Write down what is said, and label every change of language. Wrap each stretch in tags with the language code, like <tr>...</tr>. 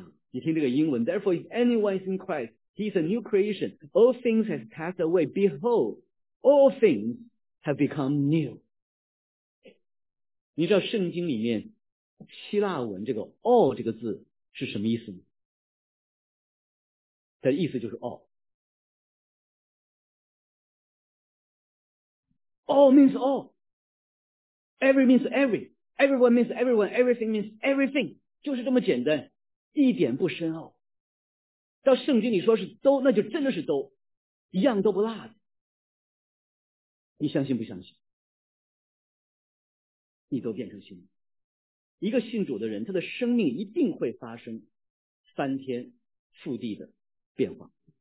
<zh>你听这个英文，</zh> <en>Therefore if anyone is in Christ,He is a new creation. All things have passed away. Behold, all things have become new.</en> <zh>你知道圣经里面希腊文这个 all 这个字是什么意思吗？它的意思就是 all.</zh> <en>All means all. Every means every. Everyone means everyone. Everything means everything.</en> <zh>就是这么简单，一点不深奥。到圣经里说是都，那就真的是都，一样都不落的。你相信不相信？你都变成新的。一个信主的人，他的生命一定会发生翻天覆地的变化。</zh>